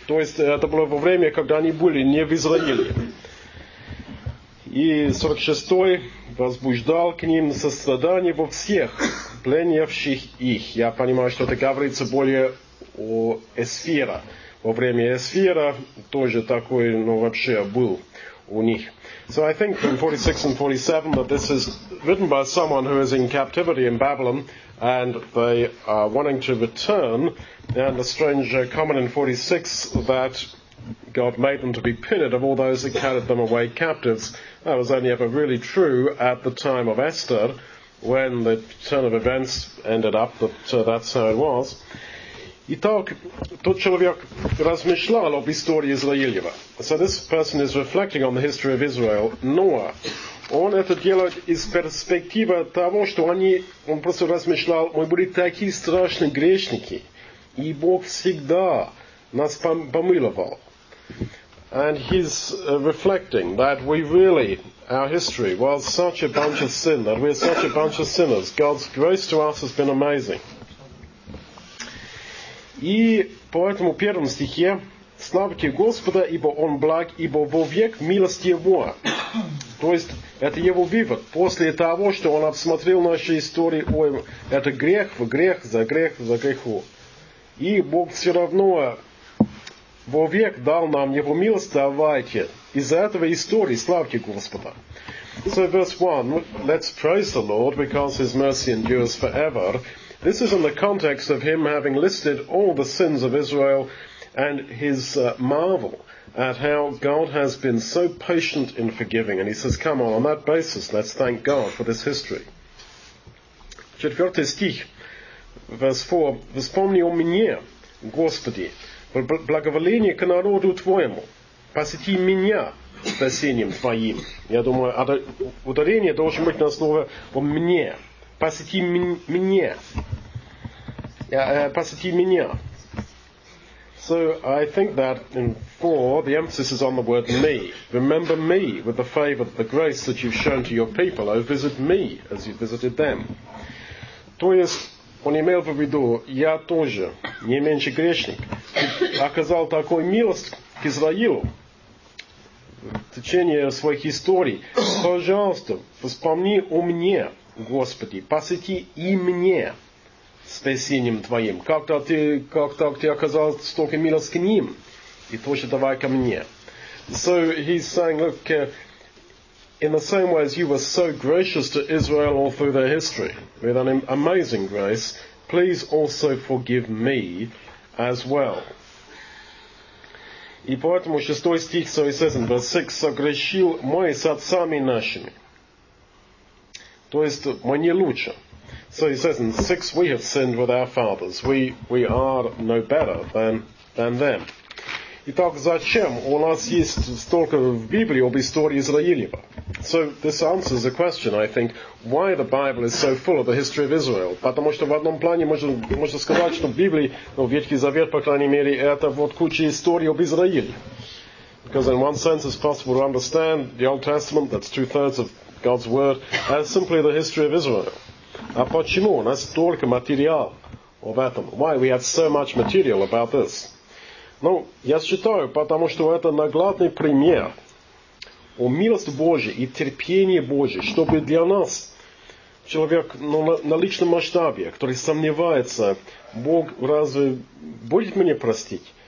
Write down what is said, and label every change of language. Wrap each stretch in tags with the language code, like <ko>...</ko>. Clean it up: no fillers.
<ru>То есть это было во время, когда они были не в Израиле. И 46-й. «Возбуждал к ним сострадание во всех пленявших их». Я понимаю, что это говорится более о Эсфире. Во время Эсфира тоже такой, ну, вообще был у них.</ru> <en>So I think from 46 and 47 that this is written by someone who is in captivity in Babylon and they are wanting to return. And a strange comment in 46 that God made them to be pitied of all those that carried them away captives. That was only ever really true at the time of Esther when the turn of events ended up, but that's how it was.</en> <ru>Итак, тот человек размышлял об истории Израилева.</ru> <en>So this person is reflecting on the history of Israel, Noah.</en> <ru>Он это делает из перспективы того, что они, он просто размышлял, мы были такие страшные грешники, и Бог всегда нас помиловал.</ru> <en>And he's reflecting that we really, our history was such a bunch of sin, that we're such a bunch of sinners. God's grace to us has been amazing.</en> <ru>И поэтому в первом стихе «Славьте Господа, ибо Он благ, ибо вовек милость Его». То есть это его вывод. После того, что он обсмотрел нашу историю, ой, это грех, грех за грех, за греху. И Бог все равно вовек дал нам Его милость, давайте. Из-за этого истории «Славьте Господа».</ru> <en>So verse 1, «Let's praise the Lord, because His mercy endures forever». This is in the context of him having listed all the sins of Israel and his marvel at how God has been so patient in forgiving. And he says, come on that basis, let's thank God for this history.</en> <ru>Четвертый стих,</ru> <en>verse 4.</en> <ru>Вспомни о мне, Господи, в благоволении к народу Твоему. Посети меня спасением Твоим. Я думаю, ударение должно быть на слово «о мне». Посети меня. Посети меня.</ru> <en>So I think that in 4, the emphasis is on the word me. Remember me with the favor, the grace that you've shown to your people. Oh, visit me as you visited them.</en> <ru>То есть, он имел в виду, я тоже, не меньше грешник, оказал такой милость к Израилю в течение своих историй. Пожалуйста, вспомни о мне, Господи, посети и мне. Спасением Твоим. Как-то ты оказал столько милости к ним, и тоже давай ко мне.</ru> <en>So he's saying, look, in the same way as you were so gracious to Israel all through their history, with an amazing grace, please also forgive me as well.</en> <ru>И поэтому шестой стих,</ru> <en>so he says in verse 6,</en> <ru>согрешил мы с отцами нашими. То есть мы не лучше.</ru> <en>So he says in 6, we have sinned with our fathers. We are no better than them.</en> <ru>Итак, зачем у нас есть столько в Библии об истории Израилева?</ru> <en>So this answers the question, I think, why the Bible is so full of the history of Israel.</en> <ru>Потому что в одном плане можно сказать, что в Библии, ну, Ветхий Завет, по крайней мере, это вот куча историй об Израиле.</ru> <en>Because in one sense it's possible to understand the Old Testament, that's two-thirds of God's Word, as simply the history of Israel.</en> <ru>А почему у нас столько материал об этом?</ru> <en>Why we have so much material about this?</en> <ru>Ну, я считаю, потому что это наглядный пример о милости Божьей и терпении Божьей, чтобы для нас, человек, ну, на личном масштабе, который сомневается, Бог разве будет мне простить?</ru>